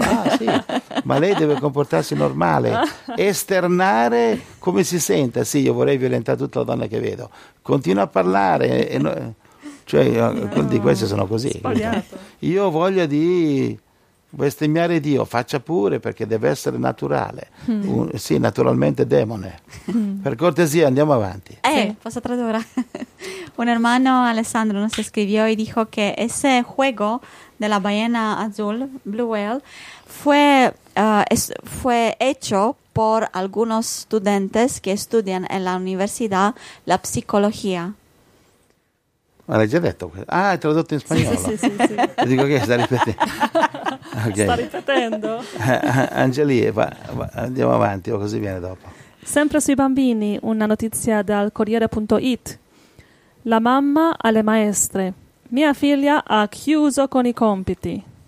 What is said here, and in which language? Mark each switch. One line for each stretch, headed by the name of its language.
Italian: Ah sì, ma lei deve comportarsi normale, esternare come si sente. Sì, io vorrei violentare tutta la donna che vedo. Continua a parlare e no, cioè quelli di questi sono così. Io ho voglia di bestemmiare Dio, faccia pure, perché deve essere naturale. Sì, naturalmente demone. Per cortesia, andiamo avanti. Posso tradurre?
Spanish: Un hermano Alessandro nos escribió y dijo que ese juego de la ballena azul, Blue Whale, fue hecho por algunos estudiantes que estudian en la universidad la psicología.
Italian: Ma l'hai già detto questo? Ah, hai tradotto in spagnolo? Sì. Dico che sta ripetendo. Okay. Sta ripetendo. Angelie, va, andiamo avanti, o così viene dopo. Sempre sui bambini, una notizia dal Corriere.it. La mamma alle maestre. Mia figlia ha chiuso con i compiti.